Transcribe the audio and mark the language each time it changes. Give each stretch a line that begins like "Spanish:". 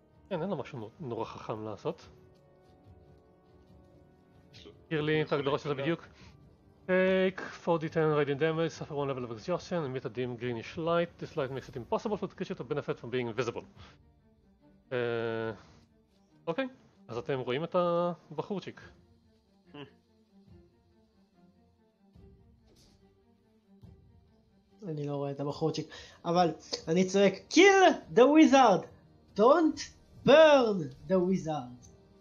Hebrew: אין לו משהו נורא חכם לעשות. תגיד לי את ההגדרה של זה בדיוק.
English: Take 4d10 radiant damage, suffer 1 level of exhaustion, emit a dim greenish light. This light makes it impossible for the creature to benefit from being invisible.
Hebrew: אוקיי, אז אתם רואים את הבחורצ'יק. אני לא רואה את הבחורצ'יק, אבל אני צועק
English: KILL THE WIZARD! DON'T BURN THE WIZARD!